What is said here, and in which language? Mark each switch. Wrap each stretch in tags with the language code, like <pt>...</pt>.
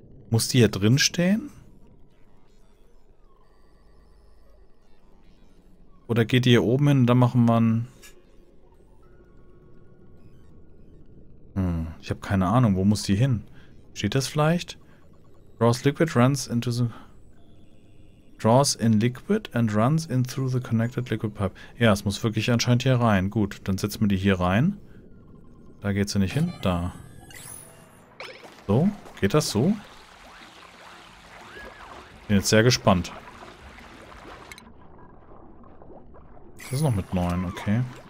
<de>Muss die hier drin stehen? Oder geht die hier oben hin und dann machen wir ein... ich habe keine Ahnung, wo muss die hin? Steht das vielleicht?</de> <en>Draws Liquid runs into the... Draws in Liquid and runs in through the connected liquid pipe.</en> <de>Ja, es muss wirklich anscheinend hier rein. Gut, dann setzen wir die hier rein. Da geht sie nicht hin. Da. So, geht das so? Bin jetzt sehr gespannt. Das ist noch mit 9, okay.</de>